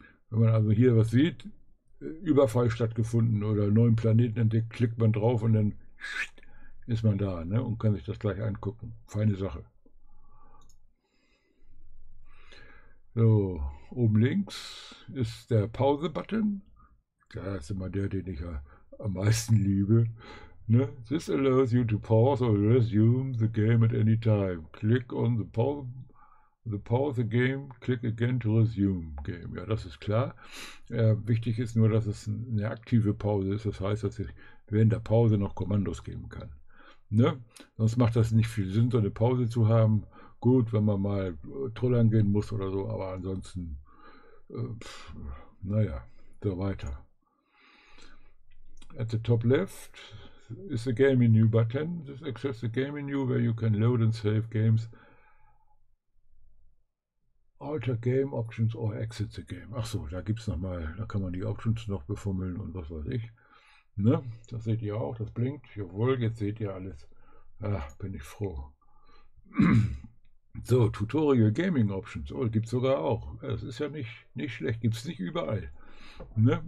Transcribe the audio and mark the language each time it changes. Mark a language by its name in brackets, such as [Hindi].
[German] Wenn man also hier was sieht, Überfall stattgefunden oder neuen Planeten entdeckt, klickt man drauf und dann ist man da, ne, und kann sich das gleich angucken. Feine Sache. So, oben links ist der Pause-Button. Das ist immer der, den ich ja am meisten liebe. Ne? [English] This allows you to pause or resume the game at any time. Click on the pause. The pause the game, click again to resume game. [German] Ja, das ist klar. Wichtig ist nur, dass es eine aktive Pause ist. Das heißt, dass ich während der Pause noch Kommandos geben kann. Ne? Sonst macht das nicht viel Sinn, so eine Pause zu haben. Gut, wenn man mal trollern gehen muss oder so, aber ansonsten, naja, so weiter. [English] At the top left is the Game Menu Button. This access the Game Menu, where you can load and save games. Alter Game Options or Exit the Game. [German] Ach so, da gibt es noch mal, da kann man die Options noch befummeln und was weiß ich. Ne? Das seht ihr auch, das blinkt. Jawohl, jetzt seht ihr alles. Ach, bin ich froh. So, Tutorial Gaming Options. Oh, gibt es sogar auch. Es ist ja nicht schlecht. Gibt es nicht überall. Ne?